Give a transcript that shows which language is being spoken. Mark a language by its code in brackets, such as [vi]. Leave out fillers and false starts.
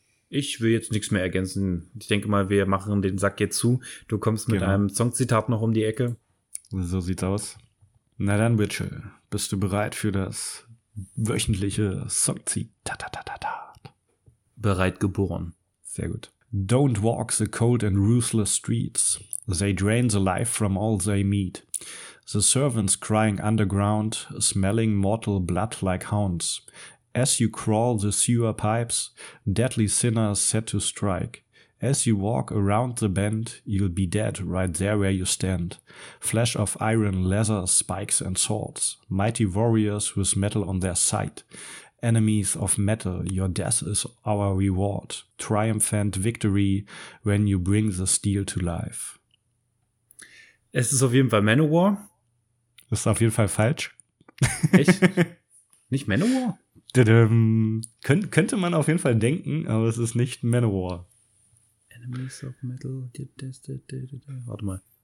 [de] Ich will jetzt nichts mehr ergänzen. Ich denke mal, wir machen den Sack jetzt zu. Du kommst mit einem Songzitat noch um die Ecke. So sieht's aus. Na dann, Mitchell, bist du bereit für das wöchentliche Songzitat? Bereit geboren. Sehr gut. [en] Don't walk the cold and ruthless streets. They drain the life from all they meet. The servants crying underground, smelling mortal blood like hounds. As you crawl the sewer pipes, deadly sinners set to strike. As you walk around the bend, you'll be dead right there where you stand. Flesh of iron, leather, spikes and swords. Mighty warriors with metal on their sight. Enemies of metal, your death is our reward. Triumphant victory when you bring the steel to life. [de] Es ist auf jeden Fall Manowar. Das ist auf jeden Fall falsch. Echt? Nicht Manowar? Könnte man auf jeden Fall denken, aber es ist nicht Manowar. Enemies of Metal. Warte mal.